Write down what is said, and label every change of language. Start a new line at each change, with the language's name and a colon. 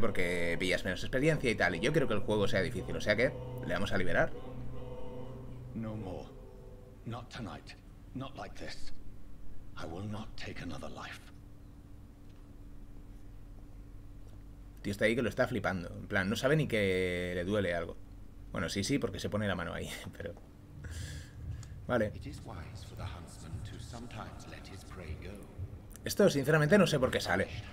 Spanish: Porque pillas menos experiencia y tal. Y yo quiero que el juego sea difícil, o sea que le vamos a liberar.
English: No more. Not tonight. Not like this. I will not take another life.
Spanish: Tío está ahí que lo está flipando. En plan, no sabe ni que le duele algo. Bueno, sí, sí, porque se pone la mano ahí, pero... Vale.
English: It is wise for the huntsman to sometimes let his prey go.
Spanish: Esto, sinceramente, no sé por qué sale.